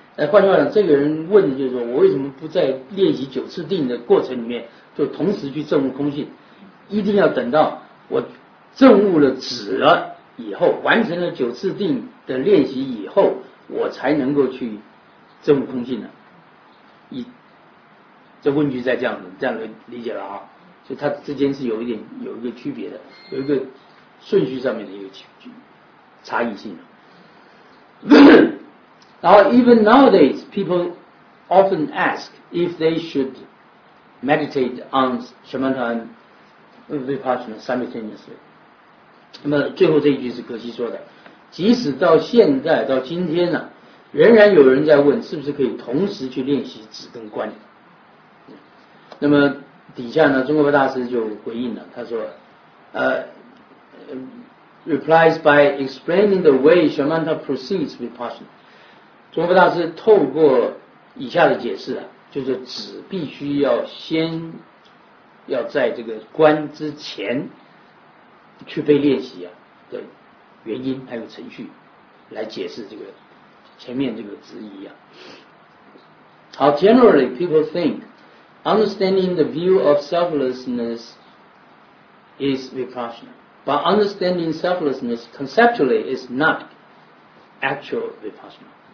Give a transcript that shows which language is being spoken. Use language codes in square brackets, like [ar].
[zh] 换句话讲，这个人问的就是说，我为什么不在练习九次定的过程里面就同时去证悟空性，一定要等到我证悟了止了以后，完成了九次定的练习以后，我才能够去证悟空性呢？这问句在这样子，这样理解了啊？所以它之间是有一点有一个区别的，有一个顺序上面的一个差异性的。 [en] Now, even nowadays, people often ask if they should meditate on Shamatha and Vipassana simultaneously. [zh] 那么最后这一句是格西说的，即使到现在到今天呢、啊，仍然有人在问是不是可以同时去练习止跟观。那么底下呢，中国大师就回应了，他说 replies by explaining the way Shamatha proceeds Vipassana。中国大师透过以下的解释啊，就是止必须要先要在这个观之前去被练习啊的原因还有程序，来解释这个前面这个质疑啊。 [en] 好 ，generally people think understanding the view of selflessness is vipassana, but understanding selflessness conceptually is not actual vipassana.